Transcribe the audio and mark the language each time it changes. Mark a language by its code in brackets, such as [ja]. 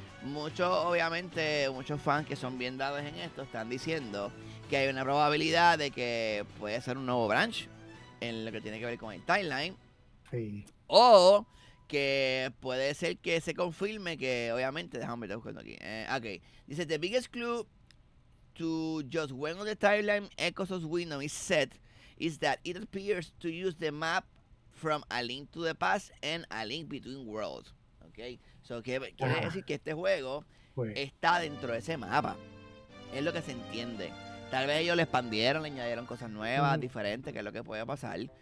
[es] Muchos, obviamente, muchos fans que son bien dados en esto están diciendo que hay una probabilidad de que puede ser un nuevo branch en lo que tiene que ver con el timeline. Sí. O que puede ser que se confirme que, obviamente, déjame meter buscando aquí. [en] Okay. [es] Dice, [en] the biggest clue to just when on the timeline Echoes of Wisdom is set is that it appears to use the map from A Link to the Past and A Link Between Worlds. Okay. So, [es] ¿qué quiere decir? Que este juego está dentro de ese mapa. Es lo que se entiende. Tal vez ellos le expandieron, le añadieron cosas nuevas, diferentes, que es lo que puede pasar.